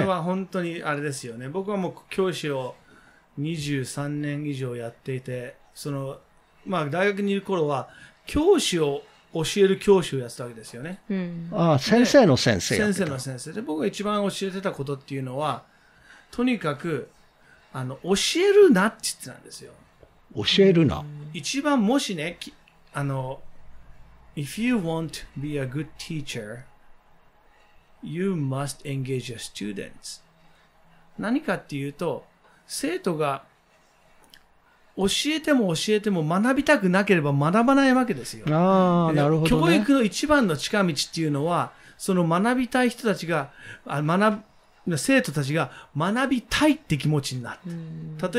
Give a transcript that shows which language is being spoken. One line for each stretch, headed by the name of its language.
Japanese: これは本当にあれですよね。僕はもう教師を23年以上やっていて、その、まあ、大学にいる頃は、教師を、教える教師をやってたわけですよね。うん、ああ、先生の先生やってた。先生の先生。で、僕が一番教えてたことっていうのは、とにかく、あの、教えるなって言ってたんですよ。教えるな。一番もしね、あの、
English: If you want to be a good teacher, you must engage your students.
Japanese: 何かっていうと、生徒が教えても教えても学びたくなければ学ばないわけですよ。ああ、なるほどね。教育の一番の近道っていうのは、その学びたい人たちが、生徒たちが学びたいって気持ちになって。